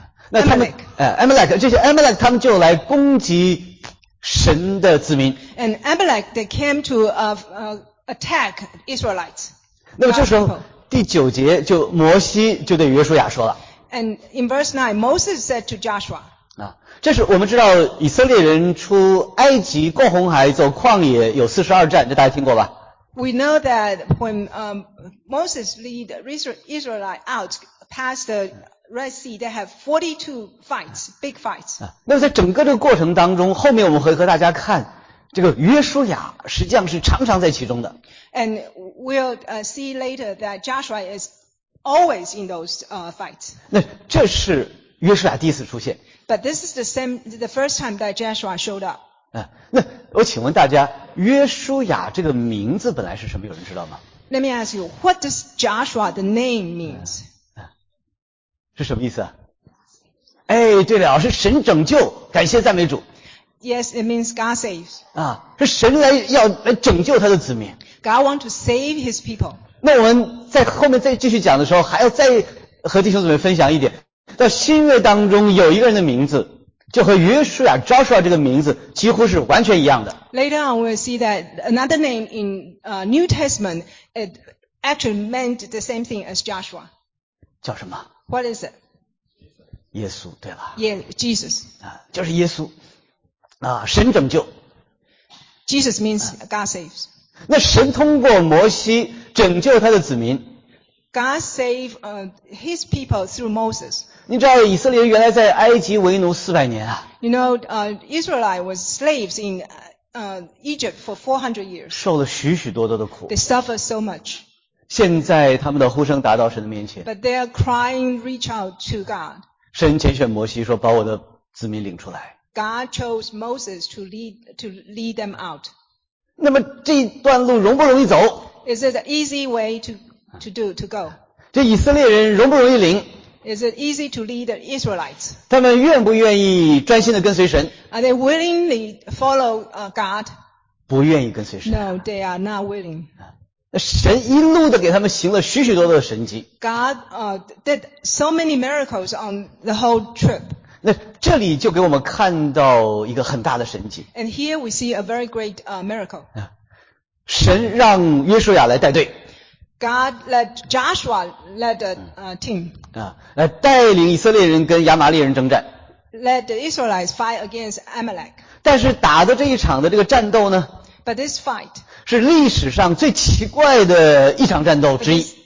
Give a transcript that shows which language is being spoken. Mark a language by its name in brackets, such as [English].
[Chinese] 那他们 Amalek 这些 Amalek 他们就来攻击神的子民。 [English] And Amalek they came to attack Israelites. [Chinese] 那么这时候第九节就摩西就对约书亚说了。 [English] And in verse 9, Moses said to Joshua. [Chinese] 啊，这是我们知道以色列人出埃及过红海走旷野有42战，这大家听过吧？ [English] We know that when Moses lead Israelite out past the Red Sea, they have 42 fights, big fights. [Chinese] 那在整个这个过程当中，后面我们会和大家看，这个约书亚实际上是常常在其中的。 [English] And we'll see later that Joshua is always in those fights. [Chinese] 那这是约书亚第一次出现。 [English] But this is the first time that Joshua showed up. [Chinese] 那我请问大家，约书亚这个名字本来是什么？有人知道吗 [English] ？Let me ask you, what does Joshua the name means? [Chinese] 是什么意思啊？哎，对了，是神拯救，感谢赞美主。 [English] Yes, it means God saves. [Chinese] 啊，是神来要来拯救他的子民。 [English] God want to save His people. [Chinese] 那我们在后面再继续讲的时候，还要再和弟兄姊妹分享一点，在新约当中有一个人的名字。就和约书亚 Joshua 这个名字几乎是完全一样的。 [English] Later on, we'll see that another name in New Testament it actually meant the same thing as Joshua. [Chinese] 叫什么 [English] ？What is it? [Chinese] 耶稣，对吧 [English] ？Yeah, Jesus. [Chinese] 啊，就是耶稣啊，神拯救。 [English] Jesus means God saves. [Chinese] 那神通过摩西拯救他的子民。 [English] God save His people through Moses. [Chinese] 你知道以色列原来在埃及为奴400年啊。 [English] You know, Israelite was slaves in Egypt for 400 years. [Chinese] 受了许许多多的苦。 [English] They suffer so much. [Chinese] 现在他们的呼声达到神的面前。 [English] But they are crying, reach out to God. [Chinese] 神拣选摩西说把我的子民领出来。 [English] God chose Moses to lead them out. [Chinese] 那么这段路容不容易走？ [English] Is it an easy way to go. [Chinese] 这以色列人容不容易领？ [English] Is it easy to lead the Israelites? [Chinese] 他们愿不愿意专心的跟随神？ [English] Are they willingly follow God? [Chinese] 不愿意跟随神。 [English] No, they are not willing. [Chinese] 神一路的给他们行了许许多多的神迹。 [English] God, did so many miracles on the whole trip. [Chinese] 那这里就给我们看到一个很大的神迹。 [English] And here we see a very great, miracle. [Chinese] 神让约书亚来带队。 [English] God led Joshua led the, team. [Chinese] 来带领以色列人跟亚玛力人征战。 [English] Led the Israelites fight against Amalek. [Chinese] 但是打的这一场的这个战斗呢？ [English] But this fight [Chinese] 是历史上最奇怪的一场战斗之一。